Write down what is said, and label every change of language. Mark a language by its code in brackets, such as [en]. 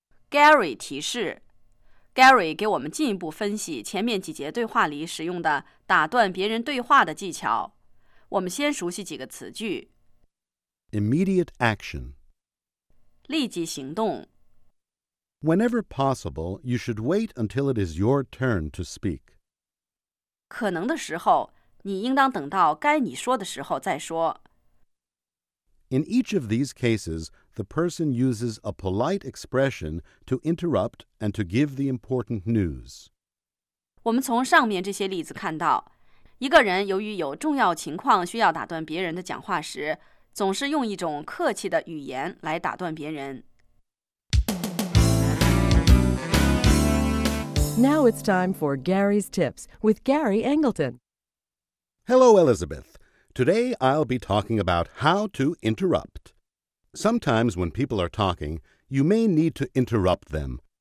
[zh] Gary 提示 Gary 给我们进一步分析前面几节对话里使用的打断别人对话的技巧。我们先熟悉几个词句。 [en] Immediate action. [zh] 立即行动。 [en] Whenever possible, you should wait until it is your turn to speak. [zh] 可能的时候，你应当等到该你说的时候再说。 [en] In each of these cases, the person uses a polite expression to interrupt and to give the important news. [zh] 我们从上面这些例子看到，一个人由于有重要情况需要打断别人的讲话时，总是用一种客气的语言来打断别人。 [en] Now it's time for Gary's Tips with Gary Angleton. Hello, Elizabeth. Today, I'll be talking about how to interrupt. Sometimes when people are talking, you may need to interrupt them.